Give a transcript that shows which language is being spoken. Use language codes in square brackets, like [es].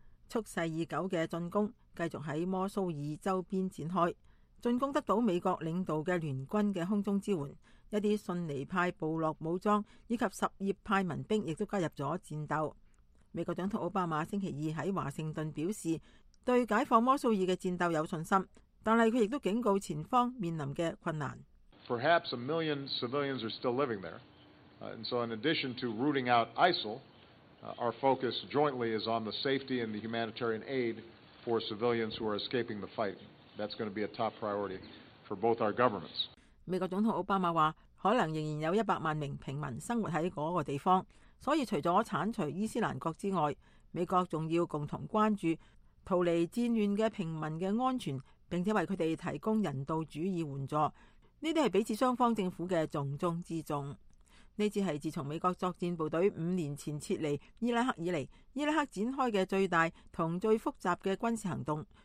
[zh] 蓄势已久的进攻继续在摩苏尔周边展开，进攻得到美国领导的联军的空中支援，一些逊尼派部落武装以及什叶派民兵亦都加入了战斗。美国总统奥巴马星期二在华盛顿表示，对解放摩苏尔的战斗有信心，但是他亦都警告前方面临的困难。 [en] Perhaps 1 million civilians are still living there. And so in addition to rooting out ISIL, our focus jointly is on the safety and the humanitarian aid for civilians who are escaping the fight. That's going to be a top priority for both our governments. [zh] 美国总统奥巴马说，可能仍然有100万名平民生活在那个地方，所以除了铲除伊斯兰国之外，美国还要共同关注逃离战乱的平民的安全，并且为他们提供人道主义援助。这些是彼此双方政府的重中之重。这次是自从美国作战部队5年前撤离伊拉克以来，伊拉克展开的最大和最复杂的军事行动。